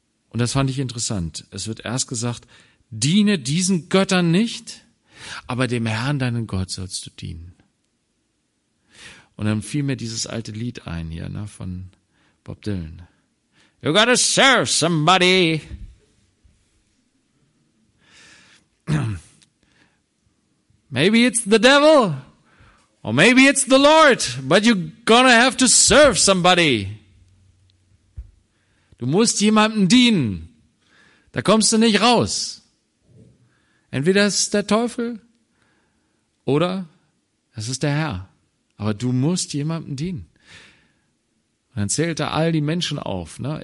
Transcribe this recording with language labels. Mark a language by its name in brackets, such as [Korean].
[German] Und das fand ich interessant. Es wird erst gesagt, diene diesen Göttern nicht, aber dem Herrn, deinen Gott, sollst du dienen. Und dann fiel mir dieses alte Lied ein hier, ne, von Bob Dylan. [English] You gotta serve somebody. Maybe it's the devil. Or maybe it's the Lord, but you're gonna have to serve somebody. [German] Du musst jemandem dienen. Da kommst du nicht raus. Entweder ist es der Teufel oder es ist der Herr. Aber du musst jemandem dienen. Und dann zählt er all die Menschen auf, ne?